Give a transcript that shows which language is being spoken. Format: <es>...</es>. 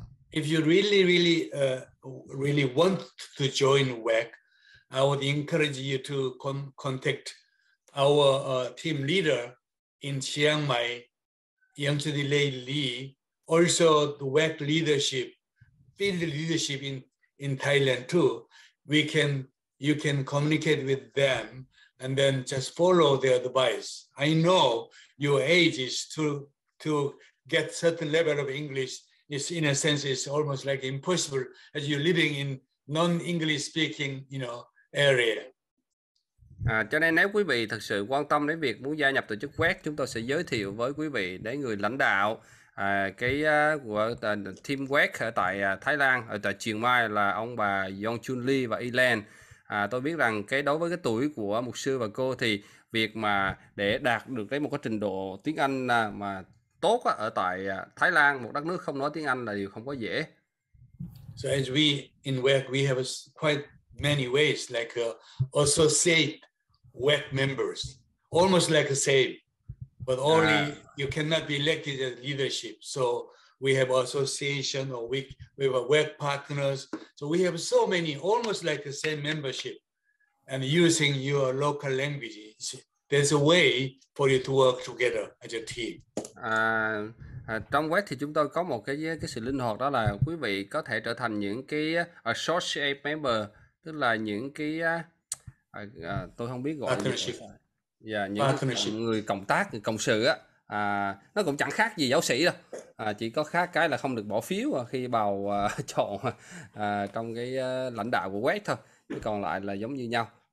<en>If you really, really, really want to join WEC, I would encourage you to contact our team leader in Chiang Mai, Yangtze Lei Li, also the WEC leadership, field leadership in Thailand too. You can communicate with them and then just follow their advice. I know your age is to get certain level of English. It's in a sense, it's almost like impossible as you're living in non-English speaking, you know, area.</en> <vi>Cho nên nếu quý vị thật sự quan tâm đến việc muốn gia nhập tổ chức WEC, chúng tôi sẽ giới thiệu với quý vị đến người lãnh đạo team WEC ở tại Thái Lan, ở tại Chiang Mai là ông bà Yong Chun Lee và Elaine. Tôi biết rằng cái đối với cái tuổi của mục sư và cô thì việc mà để đạt được cái một cái trình độ tiếng Anh mà tốt ở tại Thái Lan, một đất nước không nói tiếng Anh, là điều không có dễ.</vi> <en>So as we in WEC, we have quite many ways like associate WEC members, almost like the same. But only you cannot be elected as leadership. So we have association or we have a work partners. So we have so many, almost like the same membership. And using your local language, there's a way for you to work together as a team.</en> <vi>Trong web thì chúng tôi có một cái sự linh hoạt, đó là quý vị có thể trở thành những cái associate member, tức là những cái tôi không biết gọi là những người cộng tác, người cộng sự á, nó cũng chẳng khác gì giáo sĩ đâu, chỉ có khác cái là không được bỏ phiếu khi bầu chọn trong cái lãnh đạo của web thôi, chứ còn lại là giống như nhau.</vi>